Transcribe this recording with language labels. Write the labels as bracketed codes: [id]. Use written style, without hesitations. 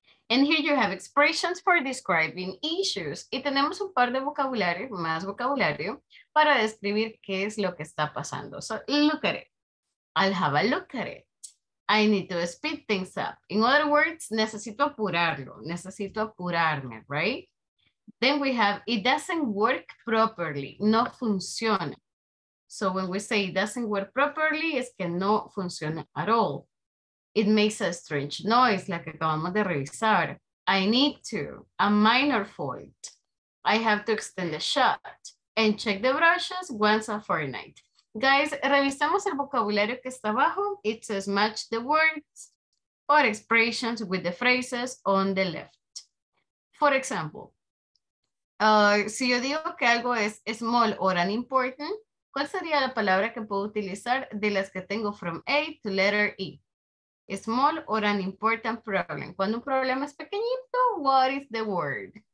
[en] And here you have expressions for describing issues. [es] Y tenemos un par de vocabulario, más vocabulario, para describir qué es lo que está pasando. [en] So look at it. I'll have a look at it. I need to speed things up. [es] In other words, necesito apurarlo. Necesito apurarme, right? [en] Then we have, it doesn't work properly. [es] No funciona. [en] So when we say it doesn't work properly, [es] es que no funciona [en] at all. It makes a strange noise, [es] la que acabamos de revisar. [en] I need to, a minor fault. I have to extend the shot and check the brushes once a fortnight. Guys, [es] revisamos el vocabulario que está abajo. [en] It says match the words or expressions with the phrases on the left. [es] For example, si yo digo que algo es [en] small or unimportant, [es] ¿cuál sería la palabra que puedo utilizar de las que tengo [en] from A to letter E? Small or unimportant problem. [es] Cuando un problema es pequeñito, [en] what is the word?